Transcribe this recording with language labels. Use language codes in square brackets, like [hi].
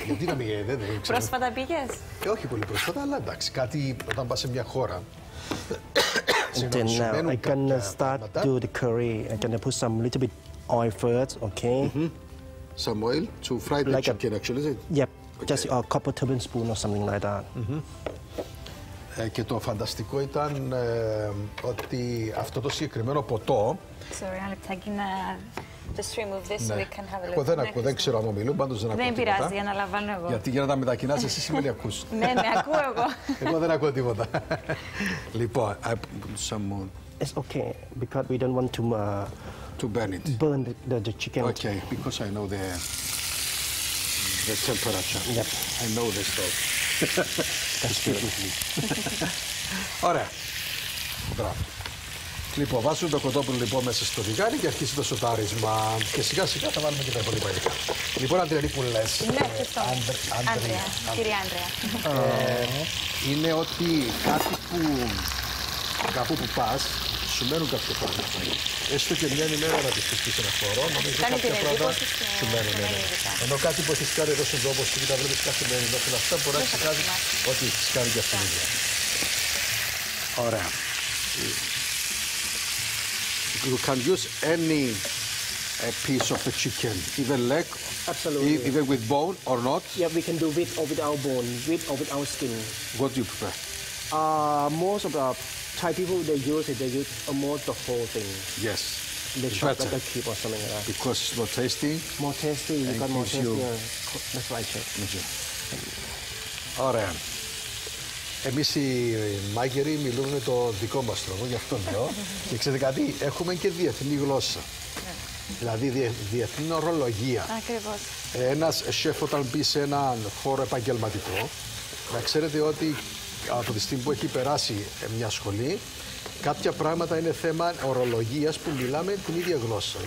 [el] Γιατί να μην είδε, δεν ξέρω. Πρόσφατα πήγες. Όχι πολύ πρόσφατα, αλλά εντάξει, κάτι όταν πας σε μια χώρα. [en] Then now I'm gonna start do the curry. I'm gonna put some little bit oil first, okay? Some oil to fry the chicken, actually, is it? Yep, just a couple tablespoons or something like that. [el] Και το φανταστικό ήταν ότι αυτό το συγκεκριμένο ποτό. [en] Sorry, I'll take in a. Just remove this so we can have a look. [el] Δεν ξέρω αν ομιλούν, πάντως δεν ακούω τίποτα. Δεν πειράζει, αναλαμβάνω εγώ. Γιατί για να τα μετακινάς, εσύ σημαίνει ακούς. Ναι, ακούω εγώ. Εγώ δεν ακούω τίποτα. Λοιπόν, [en] I put some on. It's okay, because we don't want to burn it. Burn the chicken. Okay, because I know the temperature. Yep. I know the stove. That's good with me. [el] Ωραία. Μπράβο. Λοιπόν, βάζουμε το κοτόπουλο λοιπόν μέσα στο λιγάρι και αρχίζει το σοτάρισμα. Και σιγά σιγά θα βάλουμε και τα υπόλοιπα υλικά. Λοιπόν, Αντρία, τι που λες. Αντρία, κυρία Αντρία. Είναι ότι κάτι που κάπου που πας, σου μένουν κάποια πράγματα. Έστω και μια ημέρα να τη χρησιμοποιήσει ένα χώρο, νομίζω ότι κάποια πράγματα σου μένουν. Ενώ κάτι που έχει κάνει εδώ στον τόπο σου και τα βλέπει κάθε μέρα, ενώ και αυτά μπορεί να ξεχάσει ότι έχει κάνει και αυτή. Ωραία. [en] You can use any piece of the chicken, even leg, absolutely, even with bone or not. Yeah, we can do with or without bone, with or without skin. What do you prefer? Most of the Thai people, they use almost the whole thing. Yes, they chop like a cube or something like that. Because it's more tasty. More tasty, you got more tasty. That's right, chef. Alright. [el] Εμείς οι μάγεροι μιλούμε το δικό μας τρόπο, γι' αυτό λέω. Και ξέρετε κάτι, έχουμε και διεθνή γλώσσα. Δηλαδή διεθνή ορολογία. Ακριβώς. Ένας σεφ όταν μπει σε έναν χώρο επαγγελματικό, να ξέρετε ότι από τη στιγμή που έχει περάσει μια σχολή, κάποια πράγματα είναι θέμα ορολογίας που μιλάμε την ίδια γλώσσα.